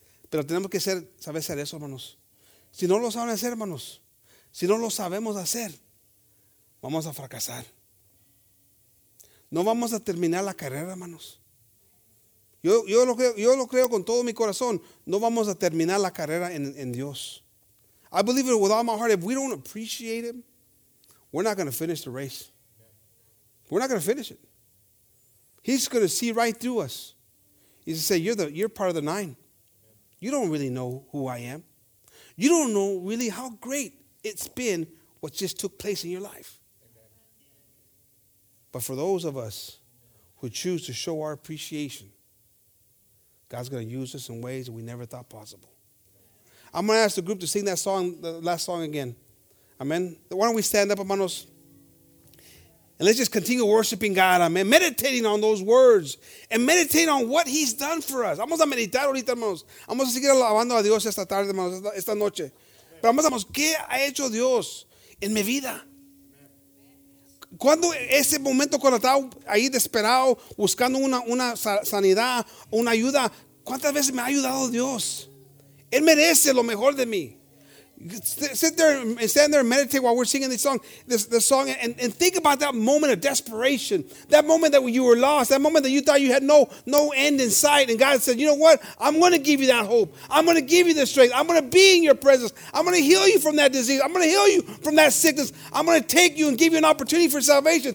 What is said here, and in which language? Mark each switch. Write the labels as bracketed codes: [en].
[es] Pero tenemos que saber hacer eso, hermanos. Si no lo saben hacer, hermanos. Si no lo sabemos hacer, vamos a fracasar. No vamos a terminar la carrera, hermanos. Yo lo creo con todo mi corazón. No vamos a terminar la carrera en Dios. [en] I believe it with all my heart. If we don't appreciate him, we're not going to finish the race. We're not going to finish it. He's going to see right through us. He's going to say, you're part of the nine. You don't really know who I am. You don't know really how great it's been what just took place in your life. But for those of us who choose to show our appreciation, God's going to use us in ways we never thought possible. I'm going to ask the group to sing that song, the last song again. Amen. Why don't we stand up, hermanos? And let's just continue worshiping God, amen. Meditating on those words. And meditating on what he's done for us. [es] Vamos a meditar ahorita, hermanos. Vamos a seguir alabando a Dios esta tarde, hermanos, esta noche. Pero vamos, ¿qué ha hecho Dios en mi vida? ¿Cuándo ese momento cuando estaba ahí desesperado, buscando una sanidad, una ayuda? ¿Cuántas veces me ha ayudado Dios? Él merece lo mejor de mí. [en] Stand there and meditate while we're singing this song and think about that moment of desperation, that moment that you were lost, that moment that you thought you had no end in sight, and God said, you know what, I'm going to give you that hope, I'm going to give you the strength, I'm going to be in your presence, I'm going to heal you from that disease, I'm going to heal you from that sickness, I'm going to take you and give you an opportunity for salvation.